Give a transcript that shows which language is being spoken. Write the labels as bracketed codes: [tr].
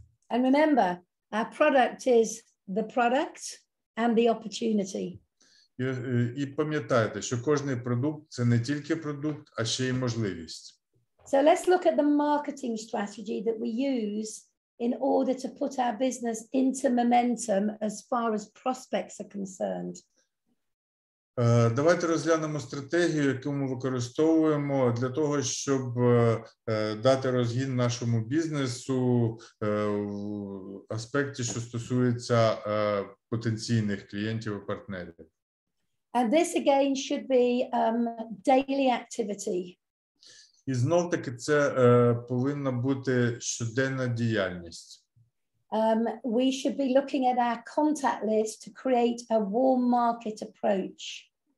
[en] And remember, our product is the product and the opportunity. [uk] І пам'ятайте, що кожний продукт – це не тільки продукт, а ще й можливість. [en] So let's look at the marketing strategy that we use in order to put our business into momentum as far as prospects are concerned. [uk] Давайте розглянемо стратегію, яку ми використовуємо для того, щоб дати розгін нашому бізнесу в аспекті, що стосується потенційних клієнтів і партнерів. [en] And this again should be daily activity. [uk] І знов-таки це повинна бути щоденна діяльність. [en] We should be looking at our contact list to create a warm market approach.